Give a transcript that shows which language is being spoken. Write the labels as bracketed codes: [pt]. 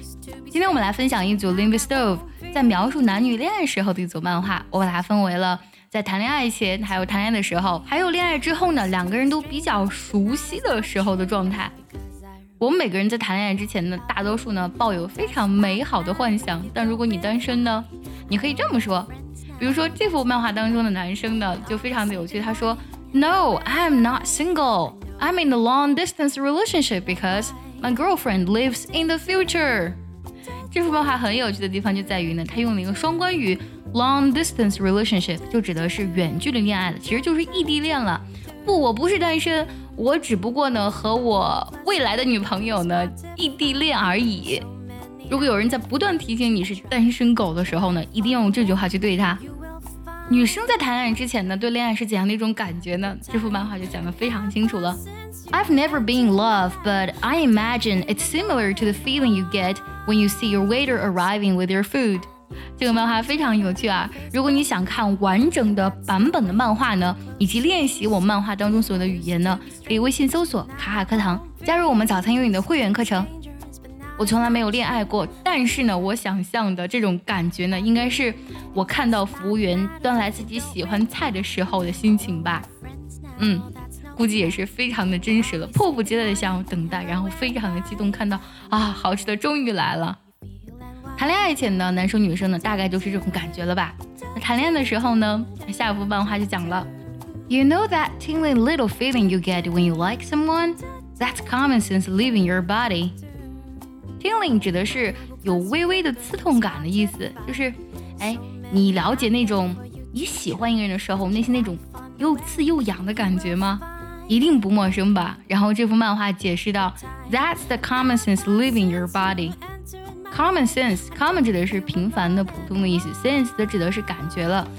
[zh] 今天我们来分享一组 Living Stove 在描述男女恋爱时候的一组漫画，我把它分为了在谈恋爱前，还有谈恋爱的时候，还有恋爱之后呢，两个人都比较熟悉的时候的状态。我们每个人在谈恋爱之前呢，大多数呢抱有非常美好的幻想。但如果你单身呢，你可以这么说，比如说这幅漫画当中的男生呢就非常的有趣，他说 [en] No, I'm not single. I'm in a long distance relationship because my girlfriend lives in the future. [zh] 这幅漫画很有趣的地方就在于呢，他用了一个双关语Long distance relationship 就指的是远距离恋爱的，其实就是异地恋了。不，我不是单身，我只不过呢和我未来的女朋友呢异地恋而已。如果有人在不断提醒你是单身狗的时候呢，一定用这句话去对他。女生在谈恋爱之前呢对恋爱是怎样的一种感觉呢，这幅漫画就讲得非常清楚了。 [en] I've never been in love, but I imagine it's similar to the feeling you get when you see your waiter arriving with your food. [zh] 这个漫画非常有趣啊，如果你想看完整的版本的漫画呢，以及练习我漫画当中所有的语言呢，可以微信搜索卡卡课堂，加入我们早餐英语的会员课程。我从来没有恋爱过，但是呢我想象的这种感觉呢，应该是我看到服务员端来自己喜欢菜的时候的心情吧。嗯，估计也是非常的真实了，迫不及待的想等待，然后非常的激动，看到啊好吃的终于来了。谈恋爱前呢，男生女生呢大概就是这种感觉了吧。那谈恋爱的时候呢，下一部漫画就讲了 [en] You know that tingling little feeling you get when you like someone? That's common sense leaving your body. [zh] Tingling 指的是有微微的刺痛感的意思，就是哎，你了解那种你喜欢一个人的时候那些那种又刺又痒的感觉吗？一定不陌生吧。然后这幅漫画解释到 [en] That's the common sense leaving your bodyCommon [zh] sense, common 指的是平凡的、普通的意思， sense 的指的是感觉了。